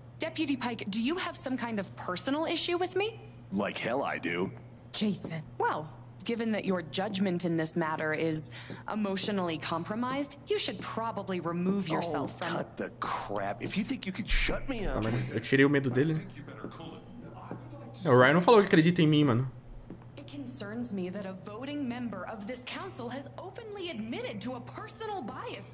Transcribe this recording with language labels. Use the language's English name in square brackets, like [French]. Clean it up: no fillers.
[English] Deputy Pike, do you have some kind of personal issue with me? Like hell I do. Jason. Well, Given that your judgment in this matter is emotionally compromised, you should probably remove yourself from... Oh, cut the crap. If you think you could shut me up... [Portuguese] Eu tirei o medo dele. O Ryan não falou que acredita em mim, mano. [English] It concerns me that a voting member of this council has openly admitted to a personal bias that...